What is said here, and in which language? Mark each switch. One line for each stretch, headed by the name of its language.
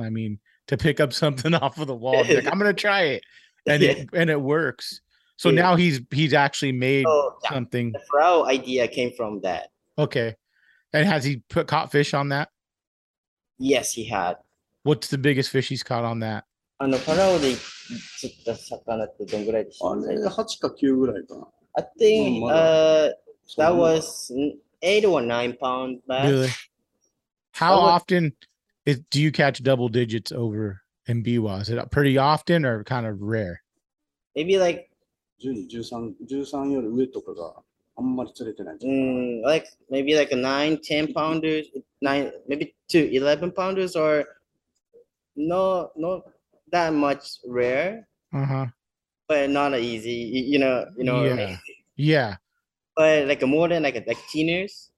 English: I mean, to pick up something off of the wall, like, I'm gonna try it, and it works. So yeah. Now he's actually made something. The throw idea came from that. Okay, and has he caught fish on that? Yes, he had. What's the biggest fish he's caught on that?
Japanese: あのパラオで釣った魚ってどんぐらいですか？あれ八か九ぐらいかな。
English: I think that was 8 or 9 pound bass. Really? How often do you catch double digits over in Biwa? Is it pretty often or kind of rare? Maybe like
Japanese: 13 より上とかがあんまり釣れてない。
English: Like maybe like a 9-10 pounders, maybe 2-11 pounders or not that much rare. Uh-huh. But not easy, you know yeah. what I mean? Yeah. But like more than like teeners.